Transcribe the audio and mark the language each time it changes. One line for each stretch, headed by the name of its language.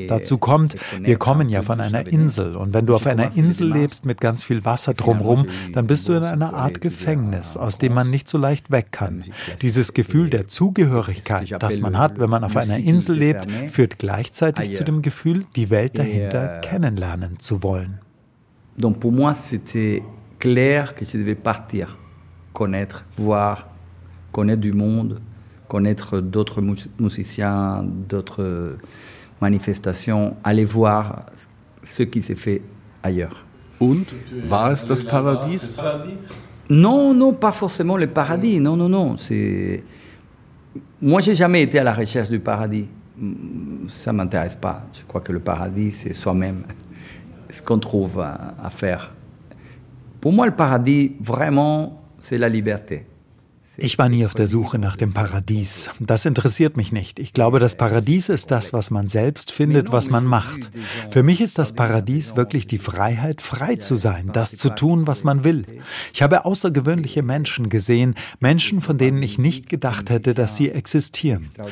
German: Dazu kommt, wir kommen ja von einer Insel und wenn du auf einer Insel lebst mit ganz viel Wasser drumherum, dann bist du in einer Art Gefängnis, aus dem man nicht so leicht weg kann. Dieses Gefühl der Zugehörigkeit, das man hat, wenn man auf einer Insel lebt, führt gleichzeitig zu dem Gefühl, die Welt dahinter kennenlernen zu wollen.
French: Donc pour moi, c'était clair que je devais partir, connaître, voir, connaître du monde, connaître d'autres musiciens, d'autres manifestations, aller voir ce qui s'est fait ailleurs.
German: Und war es das Paradies?
French: Non, non, pas forcément le paradis. Non, non, non. C'est... Moi, j'ai jamais été à la recherche du paradis. Ça ne m'intéresse pas. Je crois que le paradis, c'est soi-même. Ce qu'on trouve à faire. Pour moi, le paradis, vraiment, c'est la liberté.
German: Ich war nie auf der Suche nach dem Paradies. Das interessiert mich nicht. Ich glaube, das Paradies ist das, was man selbst findet, was man macht. Für mich ist das Paradies wirklich die Freiheit, frei zu sein, das zu tun, was man will. Ich habe außergewöhnliche Menschen gesehen, Menschen, von denen ich nicht gedacht hätte, dass sie existieren.